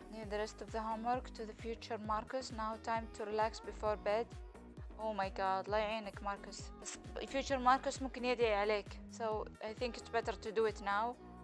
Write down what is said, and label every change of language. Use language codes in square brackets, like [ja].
[en] The rest of the homework to the future, Marcus. Now time to relax before bed. Oh my God, [ar] لا يعينك [en] Marcus. [ar] Future Marcus ممكن يدعي عليك. [en] So I think it's better to do it now.